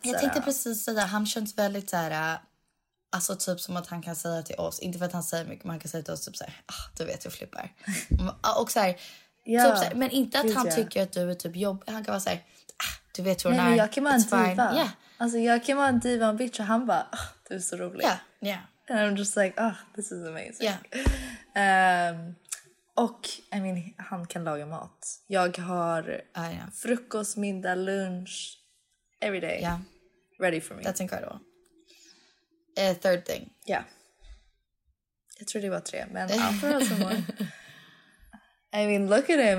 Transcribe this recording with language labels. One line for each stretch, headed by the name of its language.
Swedish: Jag tänkte precis säga, han känns väldigt så här... Alltså typ som att han kan säga till oss... Inte för att han säger mycket, men han kan säga till oss typ så här... Ah, du vet, jag flippar. Och så här, yeah, typ så här... Men inte att han tycker att du är typ jobbig. Han kan vara så här... Ah, du vet hur hon är. Nej, jag kan vara en diva.
English: Yeah.
Swedish: Alltså jag kan vara en diva, en bitch. Och han bara... Ah, du är så rolig.
English: Yeah. Yeah. And I'm just like, ah, this is amazing. Yeah.
Swedish: Och, I mean, han kan laga mat. Jag har frukost, middag, lunch.
English: Every day. Yeah. Ready for me. That's incredible. Third thing. Yeah.
Swedish: Jag tror det var tre, men
English: I'll throw some more. I mean, look at him.